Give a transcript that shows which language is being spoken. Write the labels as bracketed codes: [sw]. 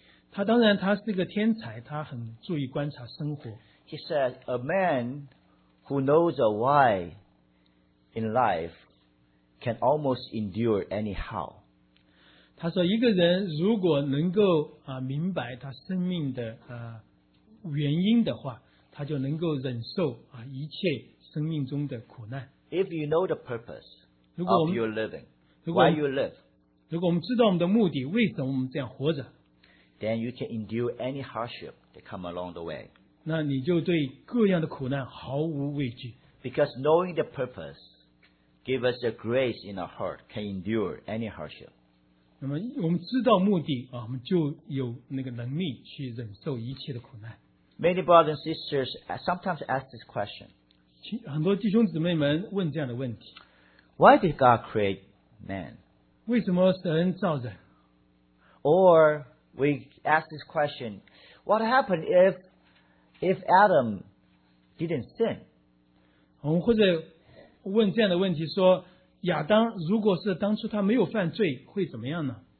[zh] 他当然他是个天才，他很注意观察生活。 [en] He said a man. Who knows a why in life can almost endure anyhow. [zh] 他说一个人如果能够明白他生命的原因的话，他就能够忍受一切生命中的苦难。 [en] If you know the purpose of your living, why you live, [zh] 如果我们知道我们的目的，为什么我们这样活着， [en] then you can endure any hardship that come along the way. [zh] 那你就对各样的苦难毫无畏惧。 [en] Because knowing the purpose gives us the grace in our heart can endure any hardship. [zh] 那么我们知道目的我们就有那个能力去忍受一切的苦难。 [en] Many brothers and sisters sometimes ask this question. [zh] 很多弟兄姊妹们问这样的问题。 [en] Why did God create man? [zh] 为什么神造人？ [en] Or we ask this question, what happened if Adam didn't sin, [zh] 我们或者问这样的问题说亚当如果是当初他没有犯罪会怎么样呢？